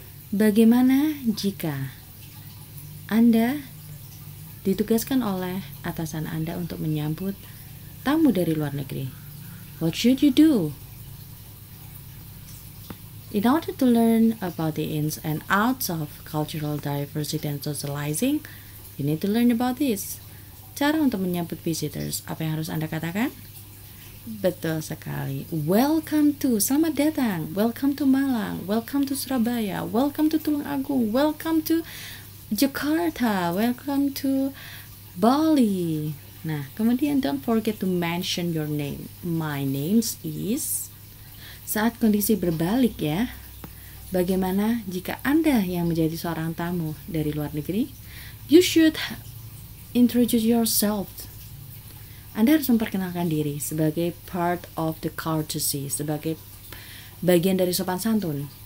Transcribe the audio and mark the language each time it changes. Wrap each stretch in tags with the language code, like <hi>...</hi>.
<id>Bagaimana jika Anda ditugaskan oleh atasan Anda untuk menyambut tamu dari luar negeri?</id> <en>What should you do? In order to learn about the ins and outs of cultural diversity and socializing, you need to learn about this.</en> <id>Cara untuk menyambut visitors, apa yang harus Anda katakan? Betul sekali. Welcome to, selamat datang.</id> <en>Welcome to Malang. Welcome to Surabaya. Welcome to Tulung Agung. Welcome to Jakarta. Welcome to Bali. Nah, kemudian don't forget to mention your name. My name is...</en> <id>Saat kondisi berbalik ya, bagaimana jika Anda yang menjadi seorang tamu dari luar negeri? You should introduce yourself. Anda harus memperkenalkan diri sebagai part of the courtesy, sebagai bagian dari sopan santun.</id>